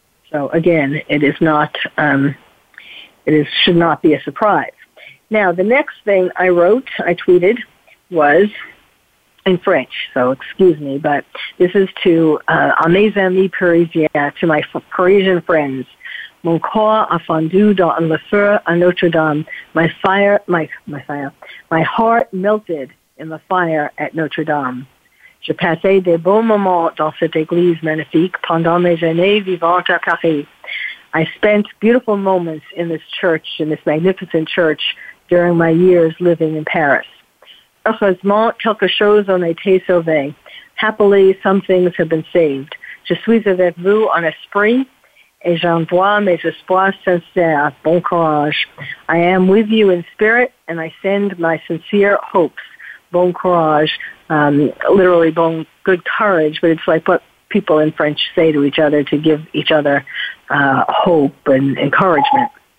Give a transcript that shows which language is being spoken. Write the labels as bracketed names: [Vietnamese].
[English] So again, it is not, should not be a surprise. Now, the next thing I tweeted, was in French, so excuse me, but this is to [French] A mes amis parisiens, [English] to my Parisian friends. [French] Mon corps a fondu dans le feu à Notre Dame. [English] My heart melted in the fire at Notre Dame. [French] Je passais des beaux moments dans cette église magnifique pendant mes années vivantes à Paris. [English] I spent beautiful moments in this church, in this magnificent church, during my years living in Paris. [French] Heureusement, quelque chose en était sauvé. [English] Happily, some things have been saved. [French] Je suis avec vous en esprit et j'envoie mes espoirs sincères. Bon courage. [English] I am with you in spirit and I send my sincere hopes. Bon courage, literally good courage, but it's like what people in French say to each other to give each other hope and encouragement.